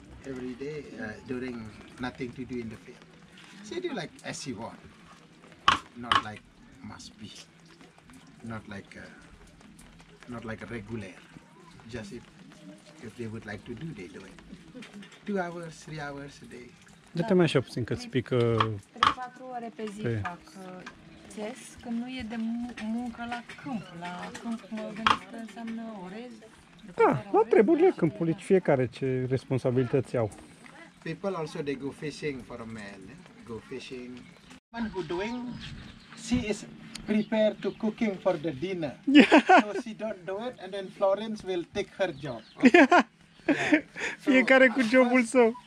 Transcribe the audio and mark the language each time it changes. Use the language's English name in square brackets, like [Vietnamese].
[English] Every day, during nothing to do in the field. She do like as she want, not like must be, not like a regular. Just if they would like to do, they do it. 2 hours, 3 hours a day. [Romanian] Da, te mai și puțin că spui că... 3-4 ore pe zi fac ces, că nu e de muncă la câmp. La câmp, mă gândesc că înseamnă orez. Da, la treburile câmpului, da. Fiecare ce responsabilități au. [English] People also, they go fishing for a man, go fishing. One who doing, she is prepared to cooking for the dinner. Yeah. So she don't do it and then Florence will take her job. Okay? [Romanian] Yeah. Fiecare cu jobul său.